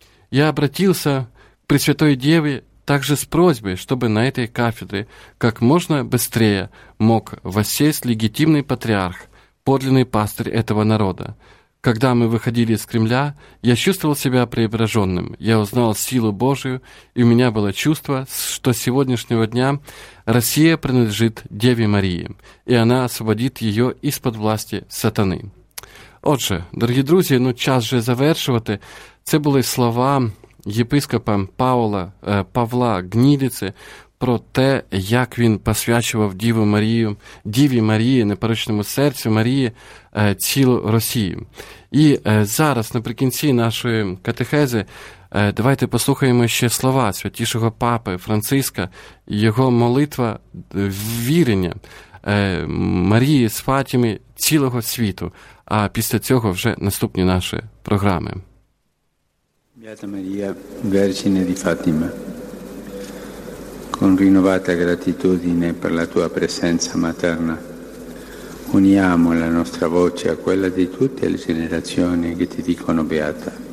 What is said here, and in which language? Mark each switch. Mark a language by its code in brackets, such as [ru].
[ru] Я обратился к Пресвятой Деве также с просьбой, чтобы на этой кафедре как можно быстрее мог воссесть легитимный патриарх, подлинный пастырь этого народа. Когда мы выходили из Кремля, я чувствовал себя преображенным, я узнал силу Божию, и у меня было чувство, что с сегодняшнего дня Россия принадлежит Деве Марии, и она освободит ее из-под власти сатаны. [uk] Отже, дорогі друзі, ну час же завершувати. Це були слова єпископа Павла Гнілиці про те, як він посвячував Діві Марії, непорочному серцю Марії, цілу Росію. І зараз, наприкінці нашої катехези, давайте послухаємо ще слова святішого папи Франциска, його молитва вірення Марії з Фатімі цілого світу. А після цього вже наступні наші програми. [it] Beata Maria, Vergine di Fatima, con rinnovata gratitudine per la tua presenza materna, uniamo la nostra voce a quella di tutte le generazioni che ti dicono Beata.